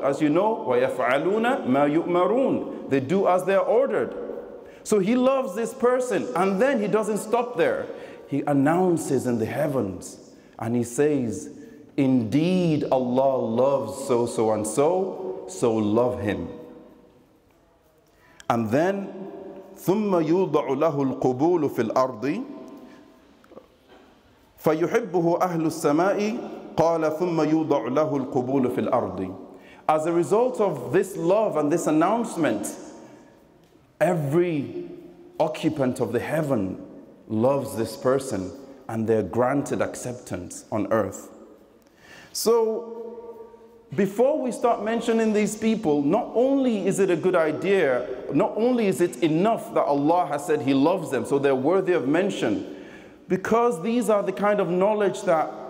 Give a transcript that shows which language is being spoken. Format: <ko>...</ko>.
<en>As you know,</en> <ar>وَيَفْعَلُونَ مَا يُؤْمَرُونَ.</ar> <en>They do as they are ordered. So He loves this person, and then He doesn't stop there. He announces in the heavens, and He says, indeed, Allah loves so-so-and-so, so love him. And then,</en> <ar>ثُمَّ يُوضَعُ لَهُ الْقُبُولُ فِي الْأَرْضِ فَيُحِبُّهُ أَهْلُ السَّمَاءِ قَالَ ثُمَّ يُوضَعُ لَهُ الْقُبُولُ فِي الْأَرْضِ.</ar> <en>As a result of this love and this announcement, every occupant of the heaven loves this person and they're granted acceptance on earth. So, before we start mentioning these people, not only is it a good idea, not only is it enough that Allah has said He loves them, so they're worthy of mention, because these are the kind of knowledge that</en>